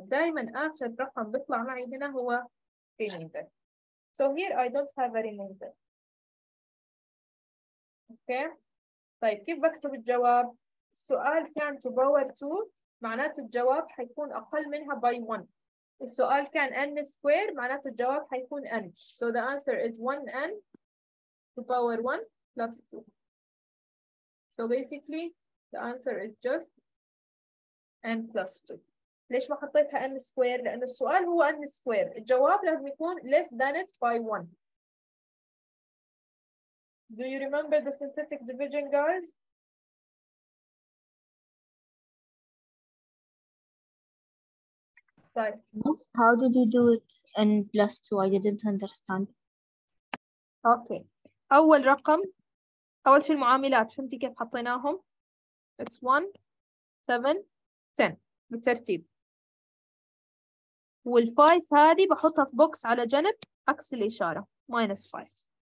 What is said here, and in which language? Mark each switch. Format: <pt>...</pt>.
<ar>دايماً آخر الرقم بيطلع معي هنا هو remainder.</ar> <en>So here I don't have a remainder. Okay.</en> <ar>طيب كيف بكتب الجواب؟ السؤال كان</ar> <en>to power 2</en> <ar>معناته الجواب حيكون أقل منها</ar> <en>by 1.</en> <ar>السؤال كان n square معناته الجواب حيكون n.</ar> <en>So the answer is 1n to power 1 plus 2. So basically, the answer is just n plus 2.</en> <ar>ليش ما حطيتها n square؟ لأن السؤال هو n square. الجواب لازم يكون</ar> <en>less than it by 1. Do you remember the synthetic division, guys? Yes, how did you do it n plus 2? I didn't understand. Okay.</en> <ar>أول رقم. أول شيء المعاملات فهمتي كيف حطيناهم؟</ar> <en>It's 1, 7, 10</en> <ar>بالترتيب. وال 5 هذه بحطها في بوكس على جنب عكس الإشارة minus 5.</ar>